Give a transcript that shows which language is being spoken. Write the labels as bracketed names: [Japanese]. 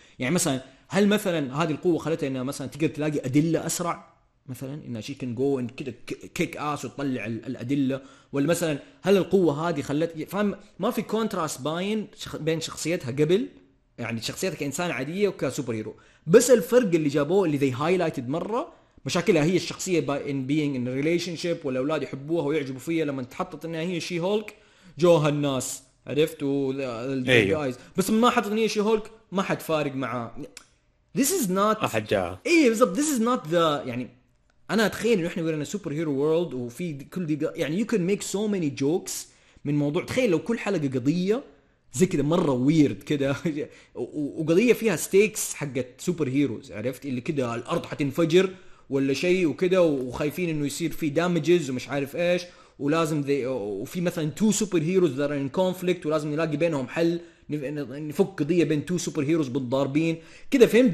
[Arabic] يعني مثلا هل مثلا هذه القوة خلتها انها مثلا تقدر تلاقي أدلة اسرع مثلا, انها شي كان [English] جو اند كده kick ass [Arabic] وتطلع الأدلة, ولا مثلا هل القوة هذه خلت فاهم ما في كونتراست باين بين شخصيتها قبل, يعني شخصيتها كإنسان عادية وكسوبر هيرو, بس الفرق اللي جابوه اللي ذي هايلايتد مرة مشاكلها هي الشخصية [English] in being in a relationship, [Arabic] والأولاد يحبوها ويعجبوا فيها لما تحطت انها هي شي هولك جوها الناس عرفت [English] guys. [Arabic] بس ما حطت انها شي هولك ما حد فارق معاه. [English] This is not [Arabic] أحجها. ايه بالضبط. [English] This is not the [Arabic] يعني انا اتخيل انه احنا [English] we're in a superhero world [Arabic] وفي كل دي يعني [English] you can make so many jokes [Arabic] من موضوع. تخيل لو كل حلقة قضية زي كده مره ويرد كده وقضية فيها stakes حقت superheroes عرفت, اللي كده الارض حتنفجر ولا شيء وكده وخايفين انه يصير في دامجز ومش عارف ايش ولازم ذي وفي مثلا [English] two superheroes that are in conflict [Arabic] ولازم نلاقي بينهم حل نفك قضيه بين تو سوبر هيروز بالضاربين كده فهم.